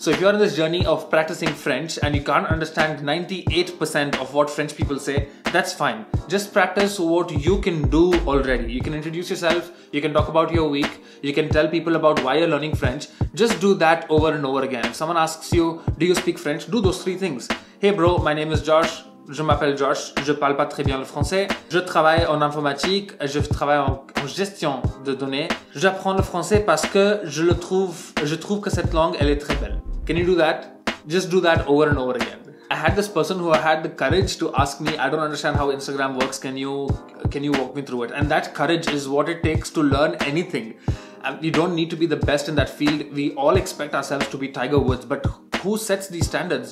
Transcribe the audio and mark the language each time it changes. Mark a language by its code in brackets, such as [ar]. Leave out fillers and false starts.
[en] So if you're on this journey of practicing French and you can't understand 98% of what French people say, that's fine. Just practice what you can do already. You can introduce yourself. You can talk about your week. You can tell people about why you're learning French. Just do that over and over again. If someone asks you, do you speak French? Do those three things. Hey bro, my name is Josh. [fr] Je m'appelle Josh, je parle pas très bien le français. Je travaille en informatique, je travaille en gestion de données. J'apprends le français parce que je trouve que cette langue, elle est très belle. [en] Can you do that? Just do that over and over again. I had this person who had the courage to ask me, I don't understand how Instagram works, can you walk me through it? And that courage is what it takes to learn anything. You don't need to be the best in that field. We all expect ourselves to be Tiger Woods, but who sets these standards?